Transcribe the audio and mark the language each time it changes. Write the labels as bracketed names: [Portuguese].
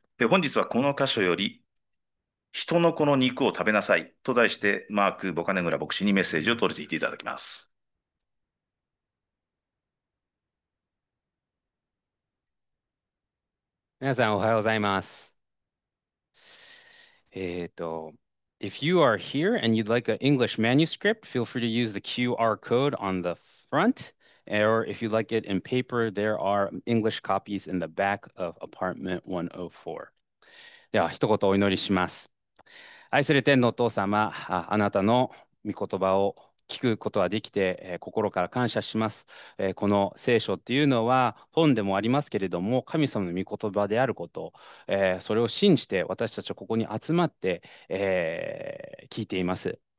[Japanese] 本日はこの箇所より、人の子の肉を食べなさいと題して、マーク・ボカネグラ牧師にメッセージを取り付いていただきます。皆さん、おはようございます。 [English] If you are here and you'd like an English manuscript, feel free to use the QR code on the front. Or if you'd like it in paper, there are English copies in the back of apartment 104. [Japanese] では、一言お祈りします。愛する天のお父様、あなたの御言葉を聞くことはできて、心から感謝します。この聖書っていうのは本でもありますけれども、神様の御言葉であること、それを信じて私たちはここに集まって、聞いています。